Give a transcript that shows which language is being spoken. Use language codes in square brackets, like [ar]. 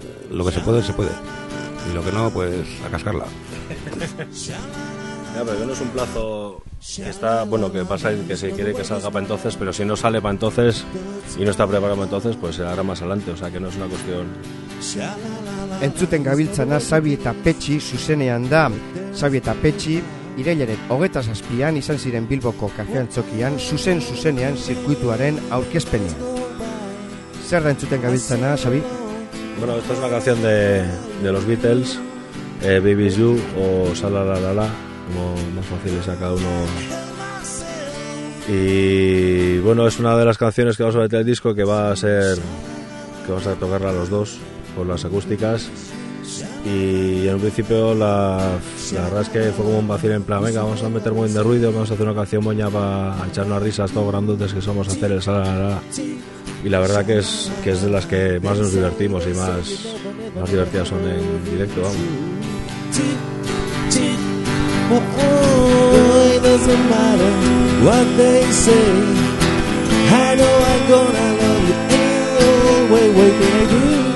[es] Lo que se puede, y lo que no, pues, a cascarla. Ya, pero no es un plazo que está, bueno, que pasa, que se quiere que salga para entonces, pero si no sale para entonces y no está preparado para entonces, pues se hará más adelante, o sea, que no es una cuestión... [eu] Entzuten gabiltzana Xabi eta Petxi zuzenean da. Xabi eta Petxi irailaren 27an izan ziren Bilboko Kafe Antzokian zuzenean zirkuituaren aurkezpenean. Zer da entzuten gabiltzana, Xabi? [es] Bueno, esto es una canción de los Beatles, Baby's You o Salalalala, como más fácil es a cada uno. Y bueno, es una de las canciones que vamos a meter el disco, que va a ser, que vamos a tocarla los dos por las acústicas. Y en un principio la verdad es que fue como un vacío, en plan, venga, vamos a meter muy bien de ruido, vamos a hacer una canción moña para echarnos a risas todos grandotes que somos a hacer el salalala. Y la verdad que es de las que más nos divertimos y más divertidas son en directo, vamos. [en] Oh, it doesn't matter what they say, I know I'm gonna love you anyway, baby.